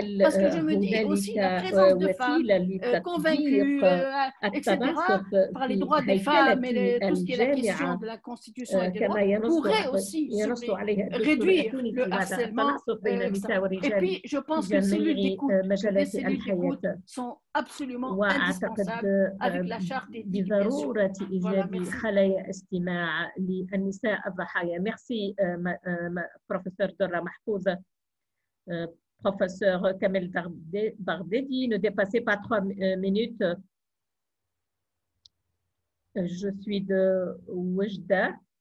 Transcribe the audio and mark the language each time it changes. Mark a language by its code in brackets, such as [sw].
[fr] Parce que je me dis aussi la présence de femmes convaincues, etc., par les droits des femmes et tout ce qui est la question de la Constitution et des lois, pourrait aussi réduire le harcèlement. Et puis, je pense que les cellules d'écoute sont absolument indispensables avec la charte des droits. [ar] خلايا استماع للنساء الضحايا. [fr] ميرسي بروفيسور [ar] درة محفوظ. [fr] بروفيسور كامل بغدادي, ne dépassez pas 3 minutes. Je suis de وجدة.